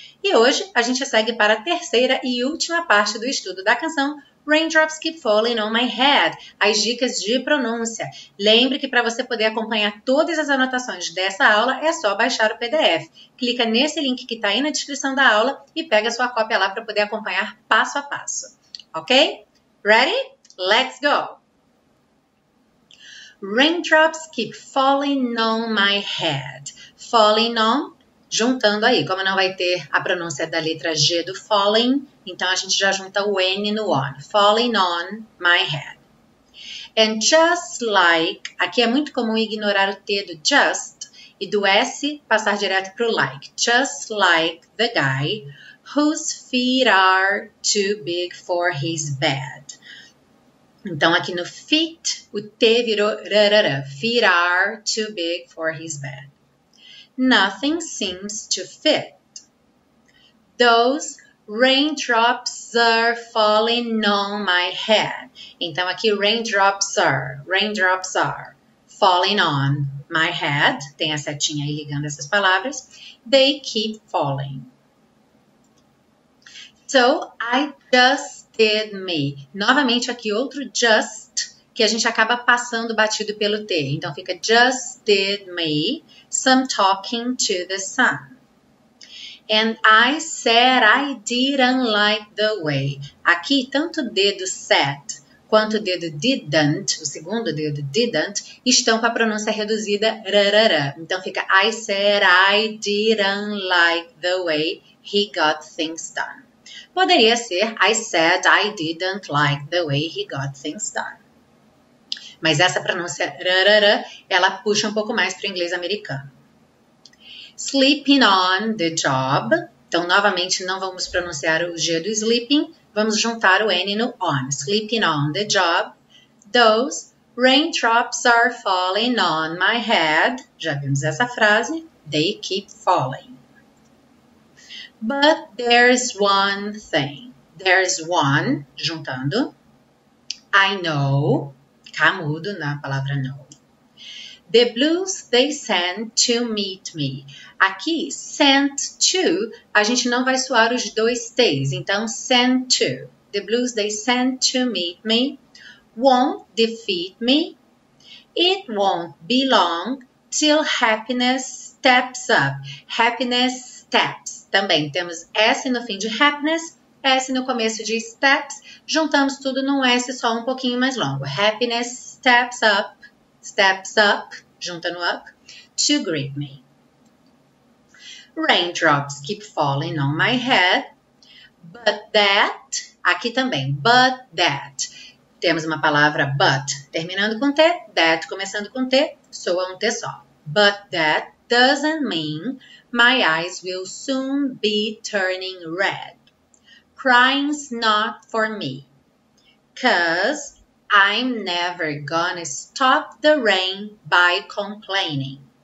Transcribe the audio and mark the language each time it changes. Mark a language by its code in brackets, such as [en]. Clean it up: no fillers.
[pt] E hoje a gente segue para a terceira e última parte do estudo da canção Raindrops Keep Falling on My Head, as dicas de pronúncia. Lembre que para você poder acompanhar todas as anotações dessa aula é só baixar o PDF. Clica nesse link que está aí na descrição da aula e pega a sua cópia lá para poder acompanhar passo a passo. [en] Ok? Ready? Let's go! Raindrops keep falling on my head. Falling on. [pt] Juntando aí, como não vai ter a pronúncia da letra G do falling, então a gente já junta o N no on. [en] Falling on my head. And just like, [pt] aqui é muito comum ignorar o T do just e do S passar direto pro like. [en] Just like the guy whose feet are too big for his bed. [pt] Então aqui no feet, o T virou rarara. [en] Feet are too big for his bed. Nothing seems to fit. Those raindrops are falling on my head. [pt] Então aqui [en] raindrops are falling on my head. [pt] Tem a setinha aí ligando essas palavras. [en] They keep falling. So I just did me. [pt] Novamente aqui outro just que a gente acaba passando batido pelo T. Então fica [en] just did me some talking to the sun. And I said I didn't like the way. [pt] Aqui, tanto o dedo said quanto o dedo didn't, o segundo dedo didn't, estão com a pronúncia reduzida rarara. Então fica [en] I said I didn't like the way he got things done. [pt] Poderia ser [en] I said I didn't like the way he got things done. [pt] Mas essa pronúncia rarara, ela puxa um pouco mais para o inglês americano. [en] Sleeping on the job. [pt] Então, novamente, não vamos pronunciar o G do sleeping. Vamos juntar o N no on. [en] Sleeping on the job. Those raindrops are falling on my head. [pt] Já vimos essa frase. [en] They keep falling. But there's one thing. There's one, juntando. I know. [pt] Camudo na palavra know. [en] The blues they sent to meet me. [pt] Aqui, sent to, a gente não vai soar os dois T's. [en] Então, sent to. The blues they sent to meet me. Won't defeat me. It won't be long till happiness steps up. Happiness steps. [pt] Também temos S no fim de happiness, S no começo de steps. Juntamos tudo num S só um pouquinho mais longo. [en] Happiness steps up. [pt] Junta no [en] up to greet me. Raindrops keep falling on my head. But that, [pt] aqui também, [en] but that. [pt] Temos uma palavra but terminando com T, that começando com T, soa um T só. [en] But that doesn't mean my eyes will soon be turning red. Crying's not for me. Cause I'm never gonna stop the rain by complaining.